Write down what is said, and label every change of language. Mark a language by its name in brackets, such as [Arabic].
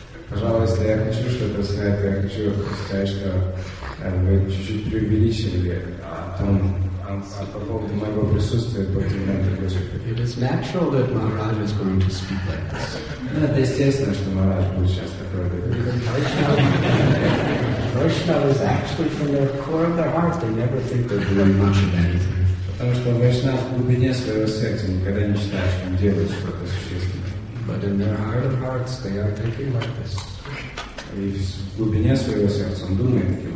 [Russian] Пожалуйста, я хочу что-то сказать. Я хочу сказать, что вы чуть-чуть преувеличили том, [English] It is natural that Maharaj is going to speak like this. [Russian] Нет, естественно, что Maharaj будет сейчас такой говорить. [English] Vaishnava is actually from the core of their hearts. They never think they're doing much of anything. [Russian] Потому что Vaishnava в глубине своего сердца никогда не считает, что он делает что-то существенное. [English] But in their heart of hearts, they are thinking like this. [Russian] И в глубине своего сердца он думает таким